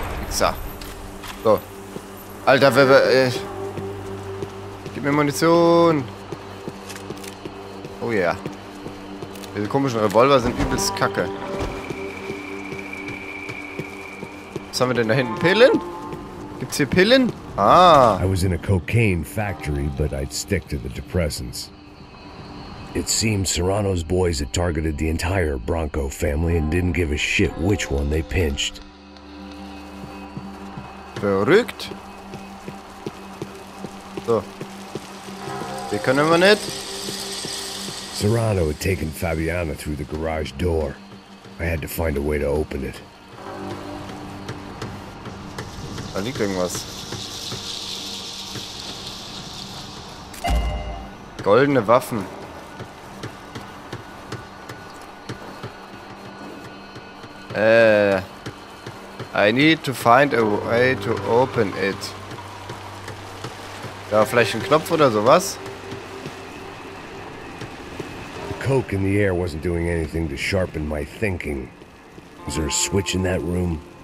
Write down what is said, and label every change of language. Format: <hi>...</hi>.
<de>So. So. Alter, gib mir Munition. Oh ja. Yeah. Diese komischen Revolver sind übelst kacke. Was haben wir denn da hinten? Pillen? Gibt's hier Pillen? Ah.</de> <en>I was in a cocaine factory, but I'd stick to the depressants. It seems Serrano's boys had targeted the entire Bronco family and didn't give a shit which one they pinched.</en> <de>Verrückt. So. Die können wir nicht.</de> <en>Serrano had taken Fabiana through the garage door. I had to find a way to open it.</en> <de>Da liegt irgendwas. Goldene Waffen.</de> <en>I need to find a way to open it.</en> <de>Da vielleicht ein Knopf oder sowas?</de> <en>The coke in the air wasn't doing anything to sharpen my thinking. Is there a switch in that room?</en>